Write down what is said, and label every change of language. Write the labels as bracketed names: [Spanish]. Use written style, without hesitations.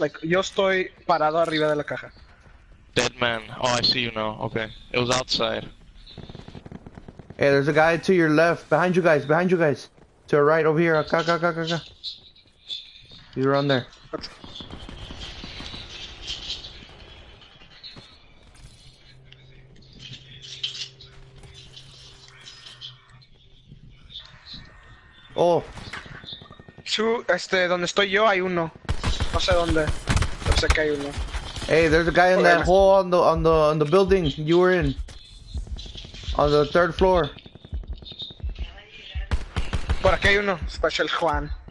[Spanish] Like, yo estoy parado arriba de la caja. [English] Dead man. Oh, I see you now. Okay. It was outside. Hey, there's a guy to your left. Behind you guys. To your right over here. [Spanish] Acá, acá, acá, acá. [English] He's around there. Oh. [Spanish] Donde estoy yo hay uno. No sé dónde. No sé que hay uno. [English] Hey, there's a guy in that hole on the building you were in. On the third floor. [Spanish] Por aquí hay uno, Special Juan.